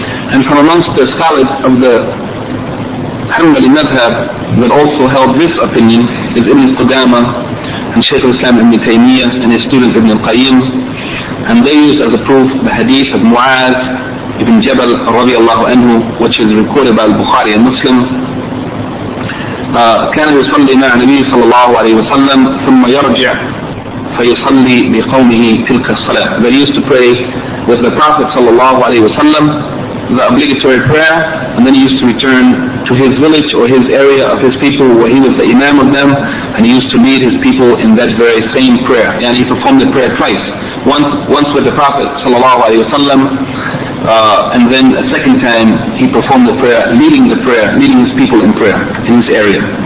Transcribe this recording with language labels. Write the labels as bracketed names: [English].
[English] And from amongst the scholars of the Hanbali Madhab that also held this opinion is Ibn Qudama and Shaykh al-Islam Ibn Taymiyyah and his student Ibn al-Qayyim. And they use as a proof the hadith of Mu'az ibn Jabal radiallahu anhu, which is recorded by al-Bukhari and Muslim. [Arabic] كان يصلي مع النبي صلى الله عليه وسلم ثم يرجع فيصلي لقومه تلك الصلاة. [English] They used to pray with the Prophet صلى الله عليه وسلم the obligatory prayer, and then he used to return to his village or his area of his people where he was the imam of them, and he used to lead his people in that very same prayer. And he performed the prayer twice. Once with the Prophet sallallahu alaihi wasallam, and then a second time he performed the prayer, leading his people in prayer in this area.